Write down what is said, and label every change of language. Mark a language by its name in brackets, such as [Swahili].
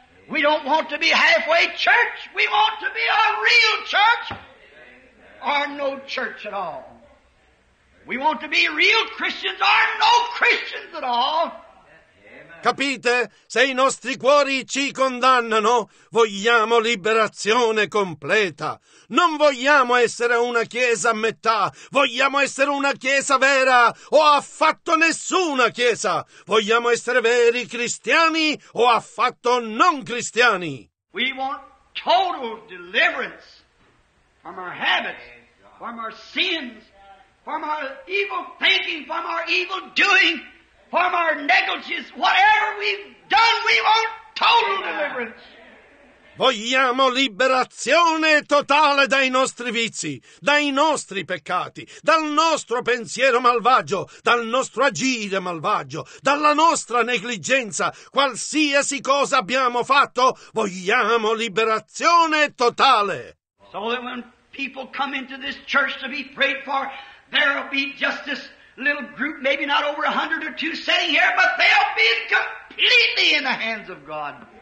[English] We don't want to be halfway church. We want to be a real church or no church at all. We want to be real Christians or no Christians at all. [Italian] Capite? Se i nostri cuori ci condannano, vogliamo liberazione completa. Non vogliamo essere una chiesa a metà. Vogliamo essere una chiesa vera o affatto nessuna chiesa. Vogliamo essere veri cristiani o affatto non cristiani. [English] We want total deliverance from our habits, from our sins, from our evil thinking, from our evil doing. From our negligence, whatever we've done, we want total deliverance. [Italian] Vogliamo liberazione totale dai nostri vizi, dai nostri peccati, dal nostro pensiero malvagio, dal nostro agire malvagio, dalla nostra negligenza, qualsiasi cosa abbiamo fatto, vogliamo liberazione totale. [English] So that when people come into this church to be prayed for, there will be justice. Little group, maybe not over 100 or 2 sitting here, but they'll be completely in the hands of God.